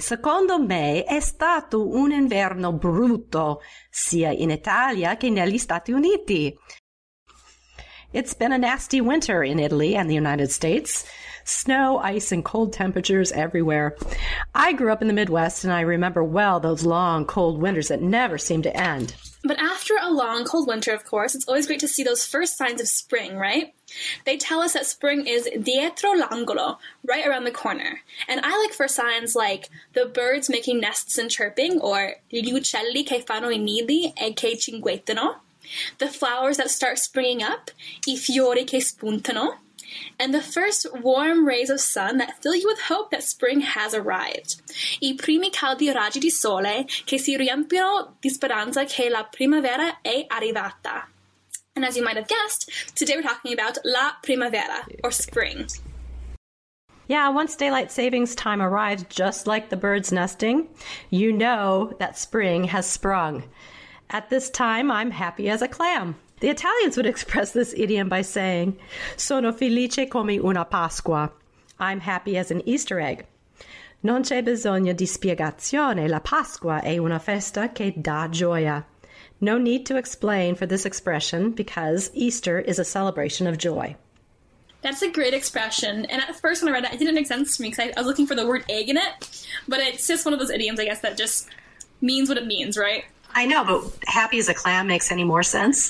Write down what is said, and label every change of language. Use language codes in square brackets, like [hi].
[it] Secondo me è stato un inverno brutto, sia in Italia che negli Stati Uniti. [en] It's been a nasty winter in Italy and the United States. Snow, ice, and cold temperatures everywhere. I grew up in the Midwest, and I remember well those long, cold winters that never seemed to end. But after a long, cold winter, of course, it's always great to see those first signs of spring, right? They tell us that spring is dietro l'angolo, right around the corner. And I look for signs like the birds making nests and chirping, or gli uccelli che fanno i nidi e che cinguettano, the flowers that start springing up, i fiori che spuntano, and the first warm rays of sun that fill you with hope that spring has arrived. [it] I primi caldi raggi di sole che si riempiono di speranza che la primavera è arrivata. [en] And as you might have guessed, today we're talking about la primavera, or spring. Yeah, once daylight savings time arrives, just like the birds nesting, you know that spring has sprung. At this time, I'm happy as a clam. The Italians would express this idiom by saying, sono felice come una Pasqua. I'm happy as an Easter egg. Non c'è bisogno di spiegazione. [it] La Pasqua è una festa che dà gioia. [en] No need to explain for this expression because Easter is a celebration of joy. That's a great expression. And at first when I read it, it didn't make sense to me because I was looking for the word egg in it. But it's just one of those idioms, I guess, that just means what it means, right? I know, but happy as a clam makes any more sense?